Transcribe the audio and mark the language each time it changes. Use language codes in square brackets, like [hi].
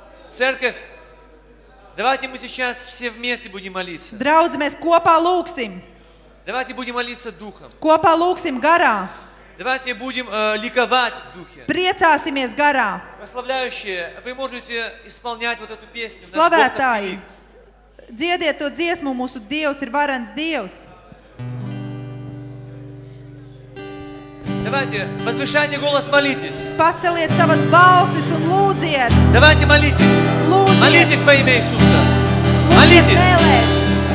[ru] Церковь, давайте мы сейчас все вместе будем молиться. [lv] Draudzi, mēs kopā lūksim. [ru] Давайте будем молиться духом. [lv] Kopā lūksim garā. [ru] Давайте будем ликовать в духе. [lv] Priecāsimies garā. [ru] Прославляющие, вы можете исполнять вот эту песню. [lv] Slavētāji, dziediet to dziesmu, mūsu Dievs ir varens Dievs. [ru] Давайте, возвышайте голос, молитесь. [lv] Paceliet savas balsis un lūdziet. [ru] Давайте молитесь. [lv] Lūdziet. [ru] Молитесь во имя Иисуса. Молитесь. [lv] Vēlēs.